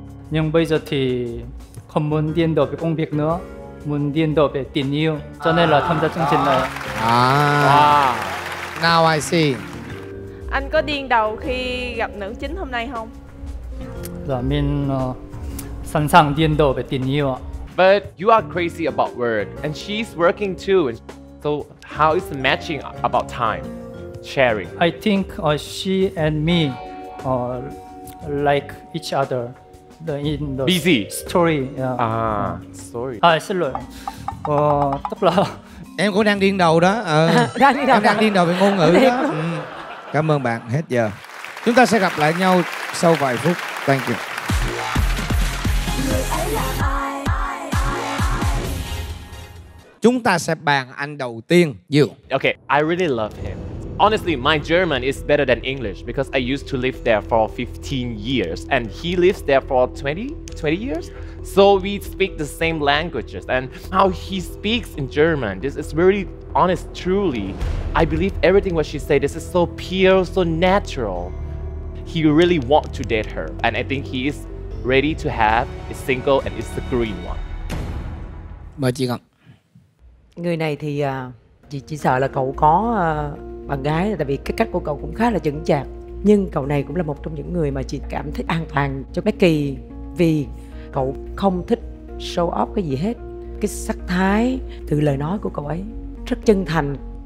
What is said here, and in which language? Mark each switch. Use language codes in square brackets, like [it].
[vi] Nhưng bây giờ thì không muốn điên đầu với công việc nữa. Muốn điên đầu về tình yêu. Cho nên là tham gia chương trình này. [en] À. Now I see. [vi] Anh có điên đầu khi gặp nữ chính hôm nay không? Dạ, mình sẵn sàng điên đầu về tình yêu. [en] But you are crazy about work, and she's working too. So how is the matching about time, sharing? I think she and me like each other. In the busy story. Yeah. À, story. [vi] À, xin lỗi. Tức là em cũng đang điên đầu đó. Đang điên đầu. Em đang điên đầu về ngôn ngữ đó. Cảm ơn bạn, hết giờ. Chúng ta sẽ gặp lại nhau sau vài phút. [en] Thank you. [vi] Chúng ta sẽ bàn anh đầu tiên, you. [en] Okay, I really love him. Honestly, my German is better than English because I used to live there for 15 years and he lives there for 20 years. So we speak the same languages and how he speaks in German, this is really honest, truly. I believe everything what she said, this is so pure, so natural. He really want to date her and I think he is ready to have a single and it's the green one. [vi] Mời chị Ngọc. Người này thì chị chỉ sợ là cậu có bạn gái, tại vì cái cách của cậu cũng khá là chững chạc. Nhưng cậu này cũng là một trong những người mà chị cảm thấy an toàn cho Becky, vì cậu không thích show off cái gì hết. Cái sắc thái từ lời nói của cậu ấy rất chân thành.